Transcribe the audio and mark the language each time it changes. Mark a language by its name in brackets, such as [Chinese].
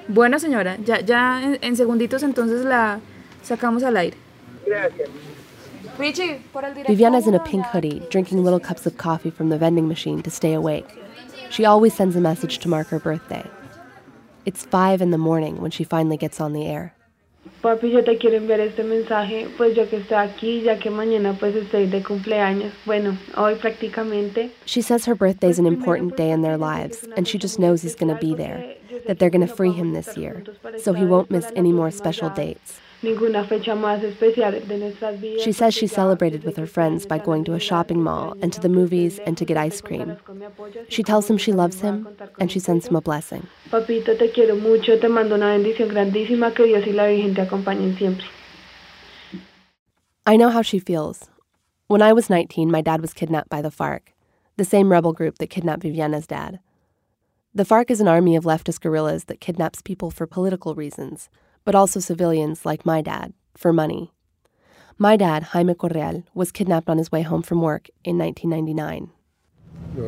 [Spanish] Bueno, señora, ya en segunditos entonces la sacamos al aire. [English] Viviana's in a pink hoodie, drinking little cups of coffee from the vending machine to stay awake. She always sends a message to mark her birthday. It's 5 in the morning when she finally gets on the air. [Spanish] Papi, yo te quiero enviar este mensaje, pues yo que estoy aquí, ya que mañana pues estoy de cumpleaños. Bueno, hoy prácticamente. [English] She says her birthday is an important day in their lives, and she just knows he's going to be there, that they're going to free him this year, so he won't miss any more special dates. [Spanish] Ninguna fecha más especial de nuestras vidas. [English] She says she celebrated with her friends by going to a shopping mall and to the movies and to get ice cream. She tells him she loves him and she sends him a blessing. [Spanish] Papito, te quiero mucho. Te mando una bendición grandísima. Que Dios y la Virgen te acompañen siempre. [English] I know how she feels. When I was 19, my dad was kidnapped by the FARC, the same rebel group that kidnapped Viviana's dad. The FARC is an army of leftist guerrillas that kidnaps people for political reasons, but also civilians, like my dad, for money. My dad, Jaime Correal, was kidnapped on his way home from work in 1999.